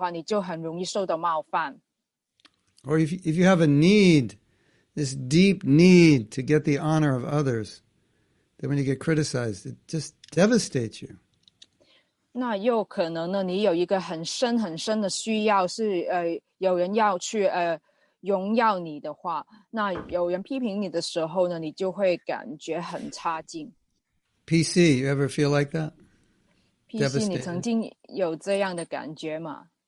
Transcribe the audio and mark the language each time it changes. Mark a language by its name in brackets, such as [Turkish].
[Chinese] 所以就是如果你感觉自己是一个很伟大的人物的话，你就很容易受到冒犯。 [English] Or if you have a need, this deep need to get the honor of others, then when you get criticized, it just devastates you. [Chinese] 那有可能呢，你有一个很深很深的需要，是有人要去荣耀你的话，那有人批评你的时候呢，你就会感觉很差劲。PC, [English] you ever feel like that? [Chinese] PC，你曾经有这样的感觉吗？